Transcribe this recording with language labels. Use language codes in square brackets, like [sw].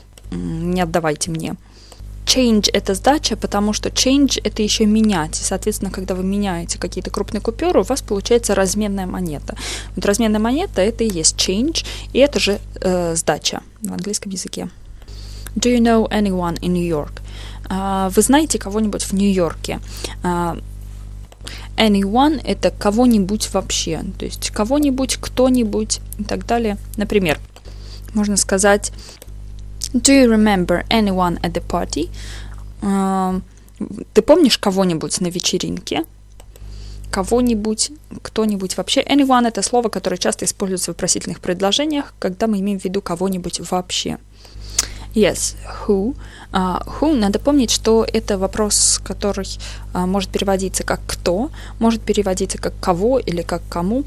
[ru] Не отдавайте мне. Change — это сдача, потому что change — это еще менять. И, соответственно, когда вы меняете какие-то крупные купюры, у вас получается разменная монета. Вот разменная монета — это и есть change, и это же сдача в английском языке. [en] Do you know anyone in New York? [ru] Вы знаете кого-нибудь в Нью-Йорке? Anyone — это кого-нибудь вообще. То есть кого-нибудь, кто-нибудь и так далее. Например, можно сказать... [en] Do you remember anyone at the party? [ru] Ты помнишь кого-нибудь на вечеринке? Кого-нибудь, кто-нибудь вообще? Anyone — это слово, которое часто используется в вопросительных предложениях, когда мы имеем в виду кого-нибудь вообще. [en] Yes, who? [ru] Who — надо помнить, что это вопрос, который может переводиться как «кто», может переводиться как «кого» или как «кому».